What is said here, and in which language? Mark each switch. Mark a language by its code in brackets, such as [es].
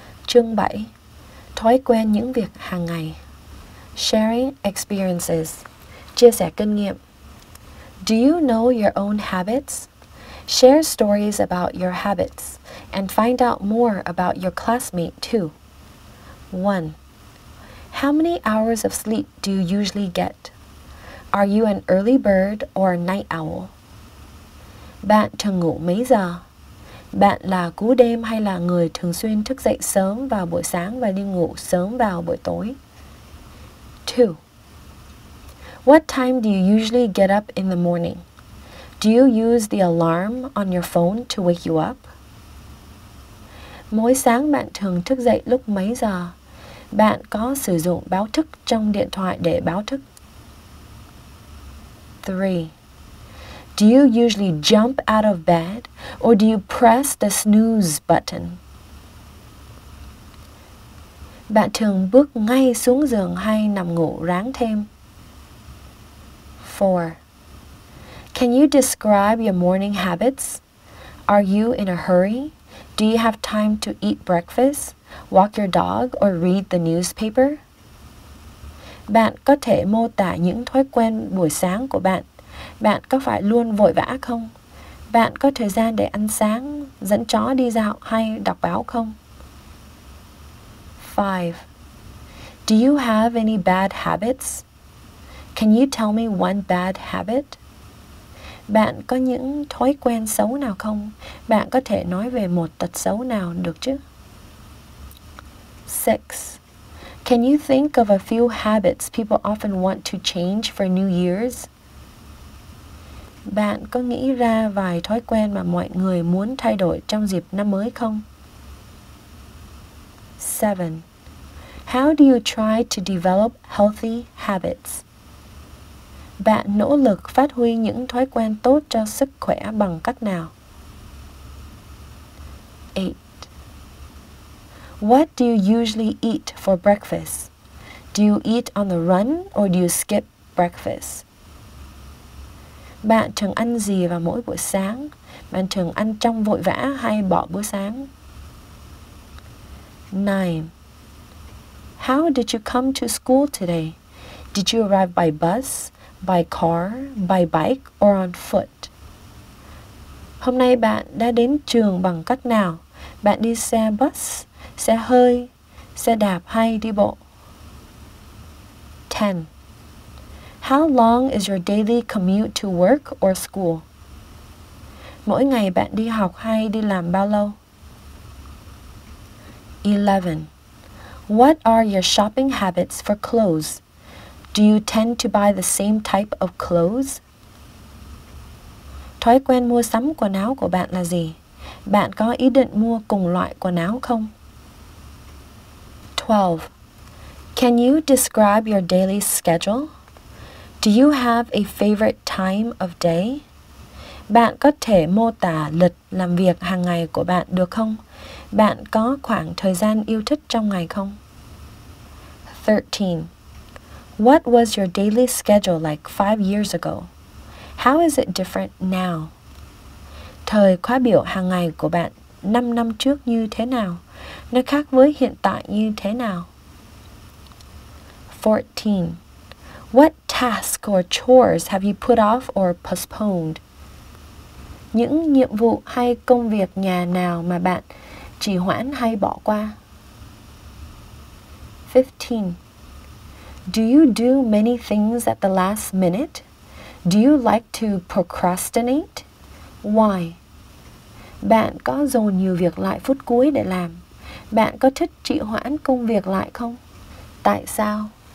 [vi] Chương 7 Thói quen những việc hàng ngày. [en] Sharing Experiences. [vi] Chia sẻ kinh nghiệm. [en] Do you know your own habits? Share stories about your habits and find out more about your classmate too. 1. How many hours of sleep do you usually get? Are you an early bird or a night owl? [vi] Bạn thường ngủ mấy giờ? Bạn là cú đêm hay là người thường xuyên thức dậy sớm vào buổi sáng và đi ngủ sớm vào buổi tối? [en] 2. What time do you usually get up in the morning? Do you use the alarm on your phone to wake you up? [vi] Mỗi sáng bạn thường thức dậy lúc mấy giờ? Bạn có sử dụng báo thức trong điện thoại để báo thức? [en] 3. Do you usually jump out of bed or do you press the snooze button? [vi] Bạn thường bước ngay xuống giường hay nằm ngủ ráng thêm? [en] 4. Can you describe your morning habits? Are you in a hurry? Do you have time to eat breakfast, walk your dog, or read the newspaper? [vi] Bạn có thể mô tả những thói quen buổi sáng của bạn. Bạn có phải luôn vội vã không? Bạn có thời gian để ăn sáng, dẫn chó đi dạo hay đọc báo không? [en] 5. Do you have any bad habits? Can you tell me one bad habit? [vi] Bạn có những thói quen xấu nào không? Bạn có thể nói về một tật xấu nào được chứ? [en] 6. Can you think of a few habits people often want to change for New Year's? [vi] Bạn có nghĩ ra vài thói quen mà mọi người muốn thay đổi trong dịp năm mới không? [en] 7. How do you try to develop healthy habits? [vi] Bạn nỗ lực phát huy những thói quen tốt cho sức khỏe bằng cách nào? [en] 8. What do you usually eat for breakfast? Do you eat on the run or do you skip breakfast? [vi] Bạn thường ăn gì vào mỗi buổi sáng? Bạn thường ăn trong vội vã hay bỏ bữa sáng? [en] 9. How did you come to school today? Did you arrive by bus, by car, by bike, or on foot? [vi] Hôm nay bạn đã đến trường bằng cách nào? Bạn đi xe bus, xe hơi, xe đạp hay đi bộ? [en] 10. How long is your daily commute to work or school? [vi] Mỗi ngày bạn đi học hay đi làm bao lâu? [en] 11. What are your shopping habits for clothes? Do you tend to buy the same type of clothes? [vi] Thói quen mua sắm quần áo của bạn là gì? Bạn có ý định mua cùng loại quần áo không? [en] 12. Can you describe your daily schedule? Do you have a favorite time of day? [vi] Bạn có thể mô tả lịch làm việc hàng ngày của bạn được không? Bạn có khoảng thời gian yêu thích trong ngày không? [en] 13. What was your daily schedule like 5 years ago? How is it different now? [vi] Thời khóa biểu hàng ngày của bạn 5 năm trước như thế nào? Nó khác với hiện tại như thế nào? [en] 14. What tasks or chores have you put off or postponed? [vi] Những nhiệm vụ hay công việc nhà nào mà bạn trì hoãn hay bỏ qua? [en] 15. Do you do many things at the last minute? Do you like to procrastinate? Why? [vi] Bạn có dồn nhiều việc lại phút cuối để làm? Bạn có thích trì hoãn công việc lại không? Tại sao?